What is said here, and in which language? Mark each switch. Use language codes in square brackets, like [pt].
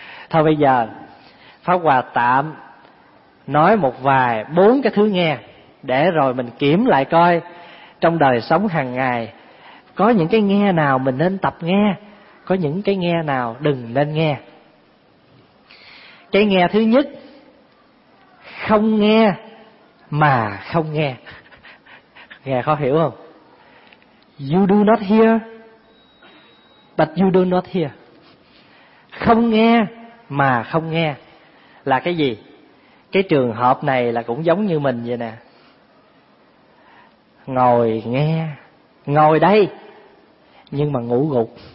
[vi] Thôi bây giờ Pháp Hòa tạm nói một vài bốn cái thứ nghe, để rồi mình kiểm lại coi trong đời sống hàng ngày có những cái nghe nào mình nên tập nghe, có những cái nghe nào đừng nên nghe. Cái nghe thứ nhất, không nghe mà không nghe. Nghe khó hiểu không? [en] You do not hear but you do not hear. [vi] Không nghe mà không nghe là cái gì? Cái trường hợp này là cũng giống như mình vậy nè. Ngồi nghe, ngồi đây nhưng mà ngủ gục.